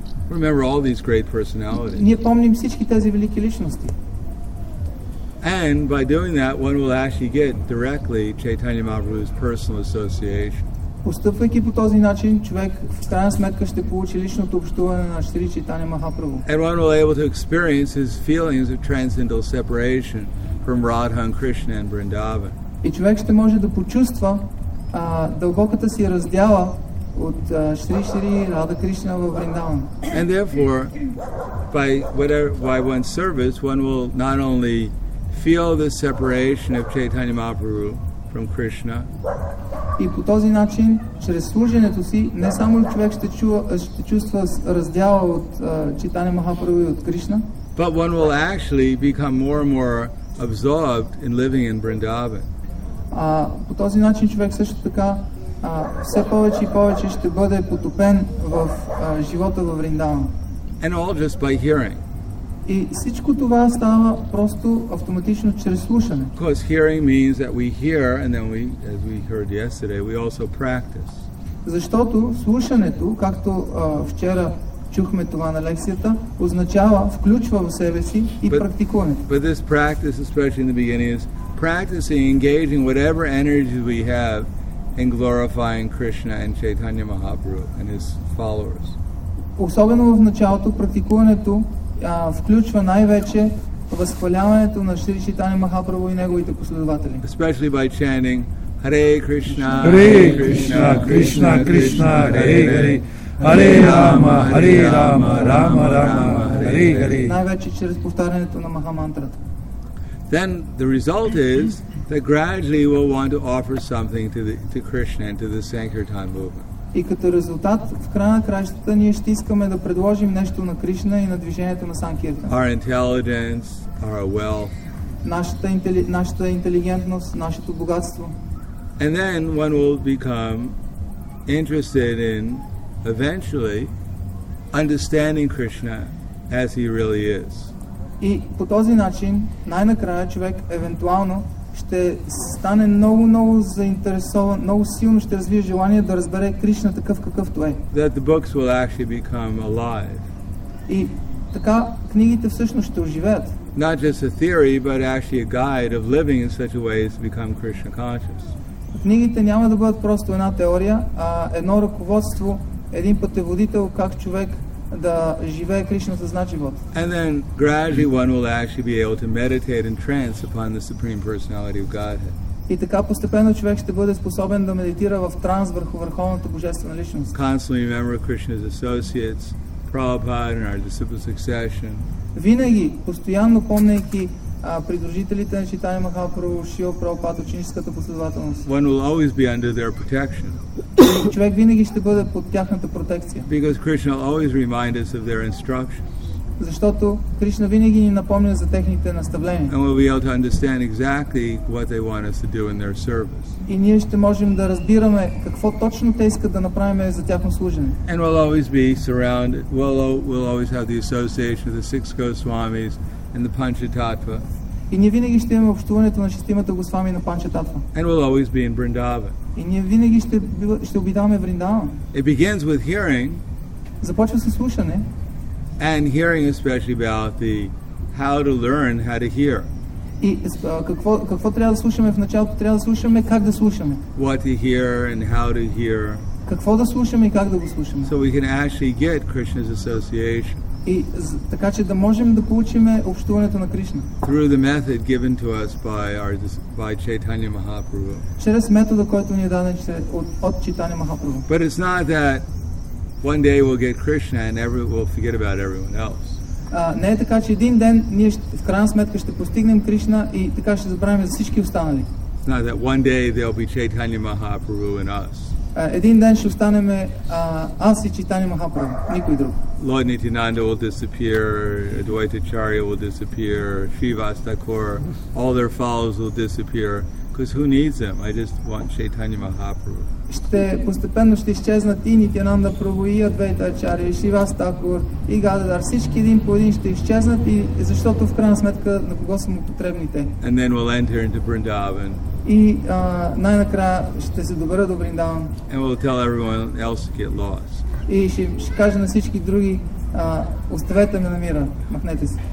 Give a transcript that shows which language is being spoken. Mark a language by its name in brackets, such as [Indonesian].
[English] Remember all these great personalities. [Bulgarian] Ние помним всички тези велики личности. [English] And by doing that, one will actually get directly Chaitanya Mahaprabhu's personal association. [Bulgarian] Постъпвайки по този начин, човек в крайна сметка ще получи личното общуване на Шри Чайтанья Махапрабху. [English] And one will be able to experience his feelings of transcendental separation from Radha and Krishna and Vrindavan. [Bulgarian] И човек ще може да почувства дълбоката си раздяла от Шри Рада Кришна във Вриндаван. [English] And therefore, by one's service, one will not only feel the separation of Chaitanya Mahaprabhu from Krishna. [Bulgarian] И по този начин, чрез служенето си, не само човек ще чувства раздяла от Чайтанья Махапрабху и от Кришна, [English] but one will actually become more and more absorbed in living in Vrindavan. [Bulgarian] По този начин човек също така все повече и повече ще бъде потопен в живота във Вриндаван. [English] And all just by hearing. [Bulgarian] И всичко това става просто автоматично чрез слушане. [English] Because hearing means that we hear and then we, as we heard yesterday, we also practice. [Bulgarian] Защото слушането, както вчера чухме това на лекцията, означава, включва в себе си и практикуването. [English] But this practice, especially in the beginning, is practicing, engaging whatever energies we have in glorifying Krishna and Chaitanya Mahaprabhu and his followers. [Bulgarian] Особено в началото практикуването включва най-вече възхваляването на Шри Чайтанья Махапрабху и неговите последователи. [English] Especially by chanting Hare Krishna, [Sanskrit] Hare Krishna, Krishna Krishna, Hare Hare, Hare Rama, Hare Rama, Rama Rama, Hare Hare. [Bulgarian] Най-вече чрез повтарянето на Маха мантрата. [English] then the result is that gradually we'll want to offer something to Krishna and to the Sankirtan movement. [Bulgarian] И като резултат, в края на краищата, ние ще искаме да предложим нещо на Кришна и на движението на Санкиртан. [English] Our intelligence, our wealth. [Bulgarian] Нашата интелигентност, нашето богатство. [English] And then one will become interested in, eventually, understanding Krishna as he really is. [Bulgarian] И по този начин, най-накрая човек, евентуално, ще стане много заинтересован, много силно ще развие желание да разбере Кришна такъв какъвто е. [English] That the books will actually become alive. [Bulgarian] И така книгите всъщност ще оживеят. [English] Not just a theory, but actually a guide of living in such a way as to become Krishna conscious. [Bulgarian] Книгите няма да бъдат просто една теория, а едно ръководство, един пътеводител как човек да живее Кришна съзнат живот. [English] And then gradually one will actually be able to meditate in trance upon the Supreme Personality of Godhead. [Bulgarian] И така постепенно човек ще бъде способен да медитира в транс върху върховната божествена личност. [English] Constantly remember Krishna's associates, Prabhupada and our disciple succession. [Bulgarian] Винаги, постоянно помнейки придружителите на Чайтанья Махапрабху, Шрила Прабхупада, ученическата последователност. [English] One will always be under their protection. [Bulgarian] Човек винаги ще бъде под тяхната протекция. [English] Because Krishna always reminds us of their instructions. [Bulgarian] Защото Кришна винаги ни напомня за техните наставления. [English] And we'll be able to understand exactly what they want us to do in their service. [Bulgarian] И ние ще можем да разбираме какво точно те искат да направим за тяхно служене. [English] And we'll always be surrounded. We'll always have the association of the six Goswamis and the Panchatattva. [Bulgarian] И ние винаги ще имаме общуването на шестимата Госвами на Панчататва. [English] And we'll always be in Vrindavan. [Bulgarian] И ние винаги ще обитаваме Вриндаван. [English] It begins with hearing. [Bulgarian] Започва с слушане. [English] And hearing especially about the how to learn how to hear. [Bulgarian] И какво трябва да слушаме в началото? Трябва да слушаме как да слушаме. [English] What to hear and how to hear. [Bulgarian] Какво да слушаме и как да го слушаме. [English] So we can actually get Krishna's association. [Bulgarian] И така че да можем да получим общуването на Кришна. [English] Through the method given to us by Chaitanya Mahaprabhu. [Bulgarian] Чрез метода, който ни е даден от Чайтанья Махапрабху. [English] But it's not that one day we'll get Krishna and we'll forget about everyone else. [Bulgarian] Не е така, че един ден ние в крайна сметка ще постигнем Кришна и така ще забравим за всички останали. [English] It's not that one day there'll be Chaitanya Mahaprabhu and us. [Bulgarian] Един ден ще останем аз и Чайтанья Махапрабху, никой друг. [English] Lord Nityananda will disappear, Advaita Acharya will disappear, Shrivas Thakur, all their followers will disappear. Because who needs them? I just want Chaitanya Mahaprabhu. [Bulgarian] Ще постепенно ще изчезнат и Нитянанда Прабху, и Адвайта Ачарья, и Шривас Такур, и Гададар. Всички един по един ще изчезнат, и защото в крайна сметка на кого са му потребните. [English] And then we'll enter into Vrindavan. [Bulgarian] И най-накрая ще се добера до Вриндаван. [English] And we'll tell everyone else to get lost. [Bulgarian] И ще кажа на всички други, оставете ме на мира, махнете се.